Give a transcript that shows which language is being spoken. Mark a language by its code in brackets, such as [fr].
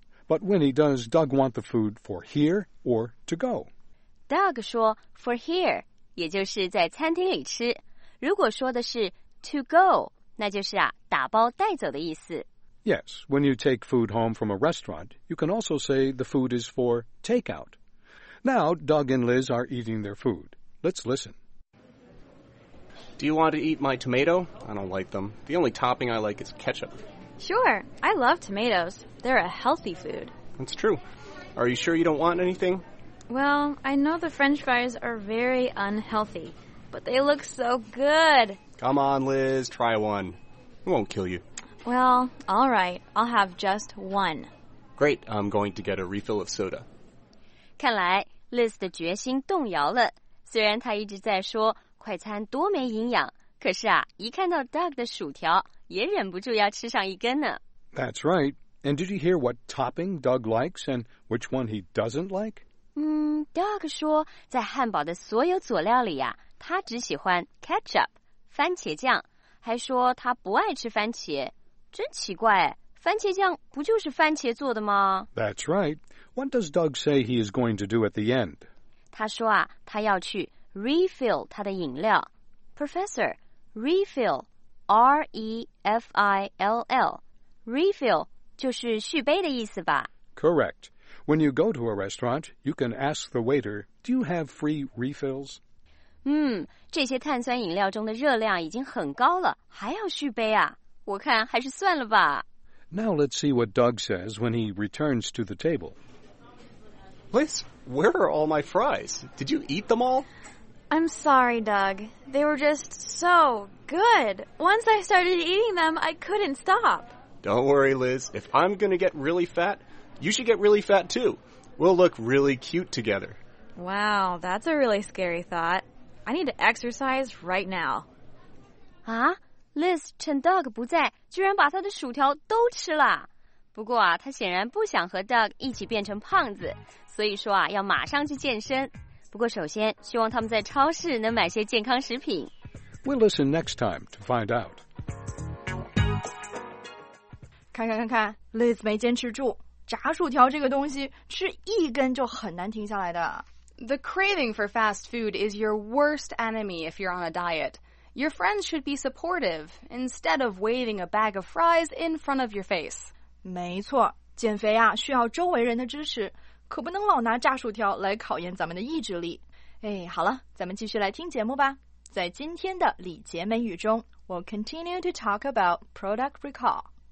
[en] But Winnie, does Doug want the food for here or to go? [zh] Doug 说 , [en] for here, [zh] 也就是在餐厅里吃。如果说的是 [en] to go, [zh] 那就是啊打包带走的意思。 [en] Yes, when you take food home from a restaurant, you can also say the food is for takeout. Now, Doug and Liz are eating their food. Let's listen. Do you want to eat my tomato? I don't like them. The only topping I like is ketchup. Sure. I love tomatoes. They're a healthy food. That's true. Are you sure you don't want anything? Well, I know the French fries are very unhealthy, but they look so good. Come on, Liz, try one. It won't kill you. Well, all right, I'll have just one. Great, I'm going to get a refill of soda. [zh] 看来 Liz 的决心动摇了。虽然她一直在说快餐多没营养，可是啊，一看到 Doug 的薯条，也忍不住要吃上一根呢。 [en] That's right. And did you hear what topping Doug likes and which one he doesn't like? [zh] Doug 说在汉堡的所有佐料里啊，他只喜欢 ketchup, 番茄酱，还说他不爱吃番茄。真奇怪，番茄酱不就是番茄做的吗？ [en] That's right. What does Doug say he is going to do at the end? [zh] 他说啊，他要去 refill 他的饮料。 Professor, refill, R-E-F-I-L-L, refill 就是续杯的意思吧？ [en] Correct. When you go to a restaurant, you can ask the waiter, do you have free refills? [zh] 这些碳酸饮料中的热量已经很高了，还要续杯啊？我看还是算了吧。 [en] Now let's see what Doug says when he returns to the table. Liz, where are all my fries? Did you eat them all? I'm sorry, Doug. They were just so good. Once I started eating them, I couldn't stop. Don't worry, Liz. If I'm going to get really fat, you should get really fat too. We'll look really cute together. Wow, that's a really scary thought. I need to exercise right now. [zh] Liz 趁 Doug 不在，居然把他的薯条都吃了。不过啊，他显然不想和 Doug 一起变成胖子，所以说啊，要马上去健身。不过首先，希望他们在超市能买些健康食品。 [en] We'll listen next time to find out. [zh] 看看 ，Liz 没坚持住。炸薯条这个东西，吃一根就很难停下来的。 [en] The craving for fast food is your worst enemy if you're on a diet. Your friends should be supportive instead of waving a bag of fries in front of your face. [zh] 没错，减肥啊需要周围人的支持，可不能老拿炸薯条来考验咱们的意志力。哎，好了，咱们继续来听节目吧。在今天的礼节美语中 [en] ，We'll continue to talk about product recall.